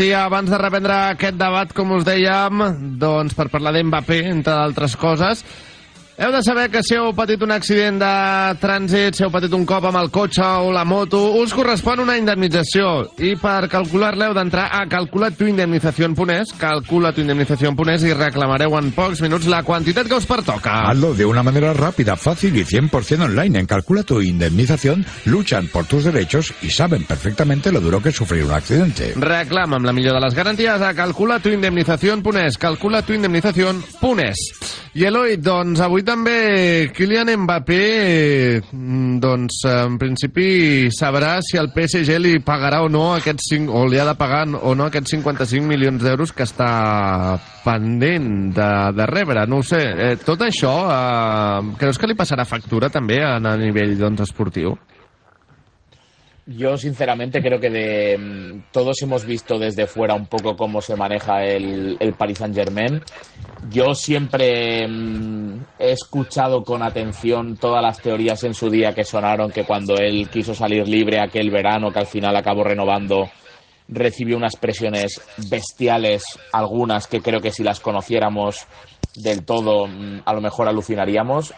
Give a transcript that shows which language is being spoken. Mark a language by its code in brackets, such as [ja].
[ca] I abans de reprendre aquest debat, com us dèiem, doncs per parlar d'Mbappé, entre d'altres coses, heu de saber que si heu patit un accident de trànsit, si heu patit un cop amb el cotxe o la moto, us correspon una indemnització. I per calcular-la heu d'entrar a calculatuindemnizacion.es, calculatuindemnizacion.es, i reclamareu en pocs minuts la quantitat que us pertoca. [es] Hazlo de una manera [ca] ràpida, fàcil i [es] 100% online en calculatuindemnizacion. Luchan por tus derechos y saben perfectamente lo duro que es sufrir un accidente. [ca] Reclama amb la millor de les garanties a calculatuindemnizacion.es, calculatuindemnizacion.es. I Eloi, doncs avui també Kylian Mbappé, doncs en principi sabrà si el PSG li pagarà o no aquests 5, o li ha de pagar o no aquests 55 milions d'euros que està pendent de rebre. No ho sé, tot això, creus que li passarà factura també a nivell doncs, esportiu? [es] Yo sinceramente creo que de todos hemos visto desde fuera un poco cómo se maneja el Paris Saint-Germain. Yo siempre he escuchado con atención todas las teorías en su día que sonaron que cuando él quiso salir libre aquel verano, que al final acabó renovando, recibió unas presiones bestiales, algunas que creo que si las conociéramos del todo a lo mejor alucinaríamos.